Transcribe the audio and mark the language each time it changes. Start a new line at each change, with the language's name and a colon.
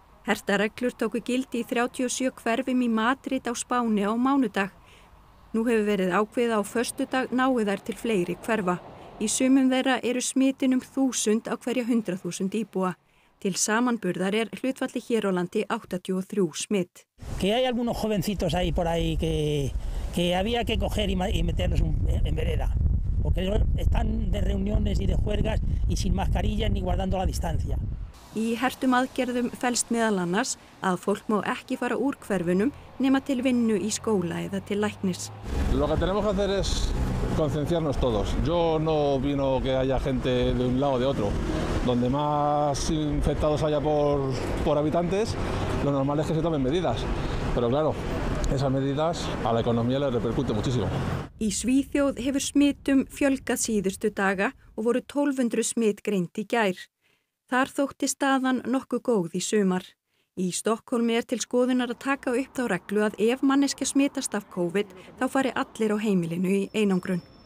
Icelandic: Hertareglur tóku gildi í 37 hverfum í Madrid á Spáni á mánudag. Nú hefur verið ákveða á föstudag náu þær til fleiri hverfa. Í sumum þeirra eru smitin 1000 á hverja 100.000 íbúa. Til samanburðar hlutfalli hér á landi 83 smit.
Spanish: Que hay algunos jovencitos ahí por ahí que había que coger y meterlos en vereda. Porque están de reuniones y de juergas y sin mascarilla ni guardando la distancia.
Icelandic: Í hertum aðgerðum felst meðal annars að fólk má ekki fara úr hverfunum nema til vinnu í skóla eða til læknis.
Spanish: Lo que tenemos que hacer es concienciarnos todos. Yo no opino que haya gente de un lado o de otro. Donde más infectados haya por habitantes, lo normal es que se tomen medidas. Pero claro, esas medidas a la economía le repercute muchísimo.
Icelandic: Í Svíþjóð hefur smitum fjölgað síðustu daga og voru 1200 smit greint í gær. Þar þótti staðan nokkuð góð í sumar. Í Stokkólmi til skoðunar að taka upp þá reglu að ef manneskja smitast af COVID, þá fari allir á heimilinu í einangrun.